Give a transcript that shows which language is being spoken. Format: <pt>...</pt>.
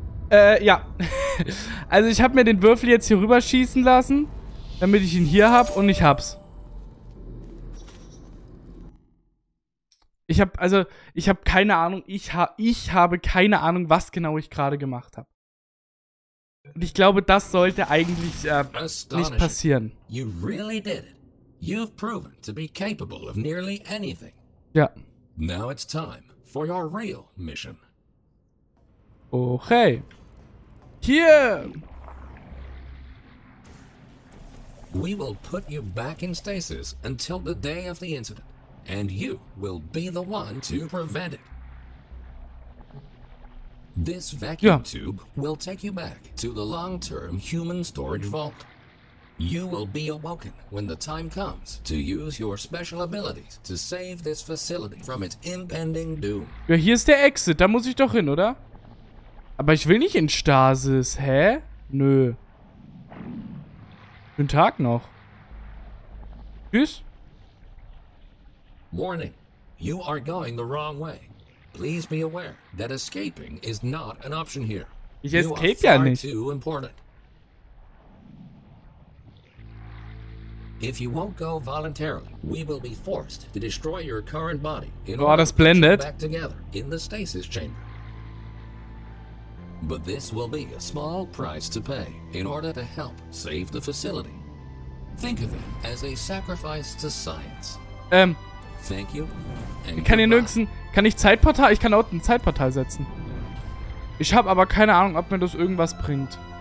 <de>Ja. Also ich habe mir den Würfel jetzt hier rüber schießen lassen, damit ich ihn hier hab, und ich hab's. Ich habe keine Ahnung, ich habe keine Ahnung, was genau ich gerade gemacht habe. Und ich glaube, das sollte eigentlich nicht passieren.</de> <en>You really did it. You've proven to be capable of nearly anything.</en> <de>Ja.</de> <en>Now it's time for your real mission.</en> <de>Okay. Hier!</de> <en>We will put you back in stasis until the day of the incident, and you will be the one to prevent it. This vacuum tube will take you back to the long-term human storage vault. You will be awoken when the time comes to use your special abilities to save this facility from its impending doom.</en> <de>Ja, hier ist der Exit, da muss ich doch hin, oder? Aber ich will nicht in Stasis, hä? Nö. Guten Tag noch. Tschüss.</de> <en>Warning. You are going the wrong way. Please be aware that escaping is not an option here.</en> <de>Ich escape ja nicht.</de> <en>You are too important. If you won't go voluntarily, we will be forced to destroy your current body in order to bring you back together in the stasis chamber. But this will be a small price to pay in order to help save the facility. Think of it as a sacrifice to science. Thank you.</en> <de>And ich kann hier nirgends ein, kann ich Zeitportal? Ich kann auch ein Zeitportal setzen. Ich habe aber keine Ahnung, ob mir das irgendwas bringt.</de>